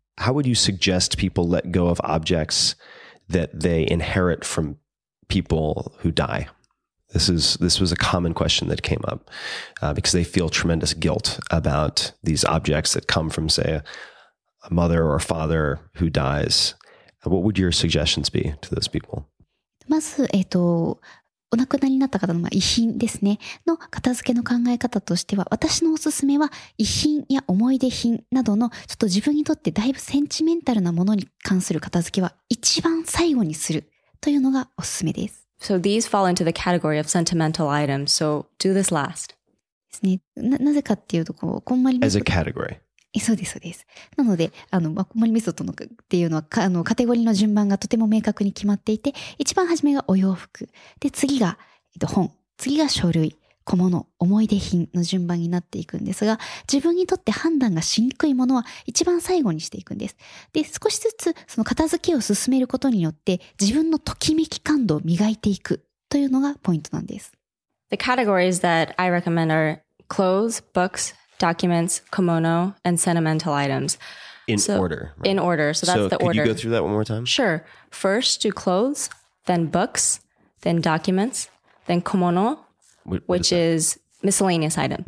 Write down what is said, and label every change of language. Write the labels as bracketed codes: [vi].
[en] How would you suggest people let go of objects that they inherit from people who die? This was a common question that came up because they feel tremendous guilt about these objects that come from, say, a mother or a father who dies. What would your suggestions be to those people? [ja] まず、お亡くなりになった方の遺品ですね、の片付けの考え方としては、私のおすすめは遺品や思い出品などのちょっと自分にとってだいぶセンチメンタルなものに関する片付けは一番最後にするというのがおすすめです。 [en] So these fall into the category of sentimental items. So do this last. [ja] ですね。なぜかっていうと、こんまり [en] メソッド。As a category. [ja] そうです、そうです。なので、こんまりメソッドのっていうのは、カテゴリーの順番がとても明確に決まっていて、一番初めがお洋服。で、次が、本。次が書類。小物。思い出品の順番になっていくんですが、自分にとって判断がしにくいものは一番最後にしていくんです。で、少しずつ、その片付けを進めることによって、自分のときめき感度を磨いていくというのがポイントなんです。 [en] The categories that I recommend are clothes, books, documents, kimono, and sentimental items. In order. So that's the order. Can you go through that one more time? Sure. First do clothes, then books, then documents, then kimono, which is miscellaneous items.